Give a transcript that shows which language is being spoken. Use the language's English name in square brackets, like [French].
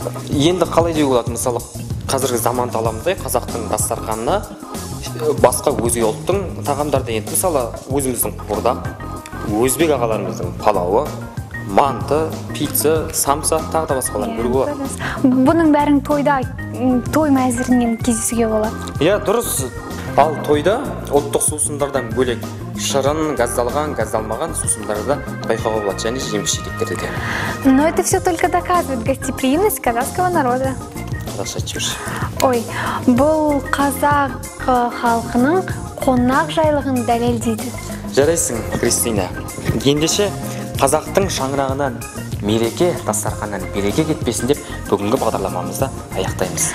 [Kazakh] Енді қалай деуге болады, мысалы, қазіргі заманды аламыз, қазақтың дастарханына басқа өзге ұлттың тағамдары енді, мысалы, өзіміздің қуырдақ, өзбек ағаларымыздың палауы, манты, пицца, самса, тағы да басқалар бір болады. Бұның бәрін тойда, той мәзірінен кездесуге болады. Иә, дұрыс. Ал тойда ұлттық сусындардан бөлек шырын, газдалған, газдалмаған сусындарды байқауға болады, және жеміс-жидектерді де. [Russian] Но это все только доказывает гостеприимность казахского народа. [Kazakh] Қазақша айтшы. Ой, бұл қазақ халқының қонақ жайлығын дәлелдейді. Жарайсың, Кристина. Ендеше қазақтың шаңырағынан мереке, дастарханнан береке кетпесін деп бүгінгі бағдарламамызды аяқтаймыз.